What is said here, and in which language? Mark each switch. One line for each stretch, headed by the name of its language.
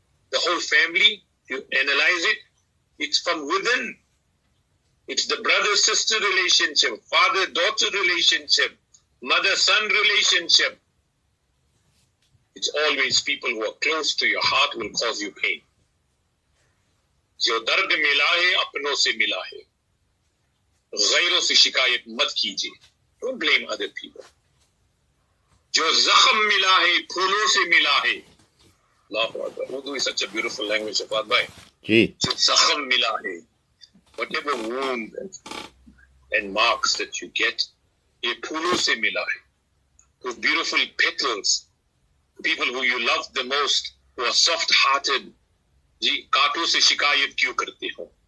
English: The whole family, you analyze it, it's from within. It's the brother-sister relationship, father-daughter relationship, mother-son relationship. It's always people who are close to your heart will cause you pain.
Urdu: جو درد ملا ہے اپنوں سے ملا ہے غیروں سے شکایت مت کیجئے.
English: Don't blame other people.
Urdu: جو زخم ملا ہے پھولوں سے ملا ہے. اللہ اکبر.
English: Urdu is such a beautiful language, Shaafat Bhai.
Urdu: جی. جو زخم ملا ہے,
English: whatever wound and marks that you get,
Urdu: یہ پھولوں سے ملا ہے.
English: Those beautiful petals, people who you love the most, who are soft-hearted,
Urdu: ji kaato se shikayat kyu karte ho?